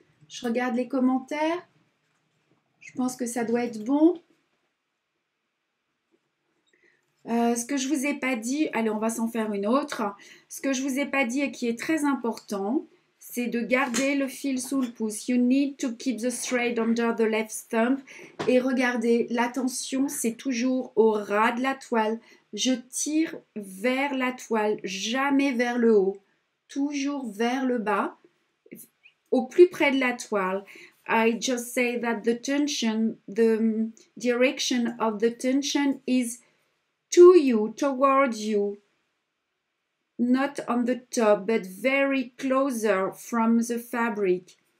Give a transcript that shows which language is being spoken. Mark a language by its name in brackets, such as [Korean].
[French] Je regarde les commentaires. Je pense que ça doit être bon. Ce que je ne vous ai pas dit... Allez, on va s'en faire une autre. Ce que je ne vous ai pas dit et qui est très important... c'est de garder le fil sous le pouce. [English] You need to keep the thread under the left thumb. [French] Et regardez, la tension, c'est toujours au ras de la toile. Je tire vers la toile, jamais vers le haut. Toujours vers le bas, au plus près de la toile. [English] I just say that the tension, the direction of the tension is to you, toward you. not on the top, but very closer from the fabric.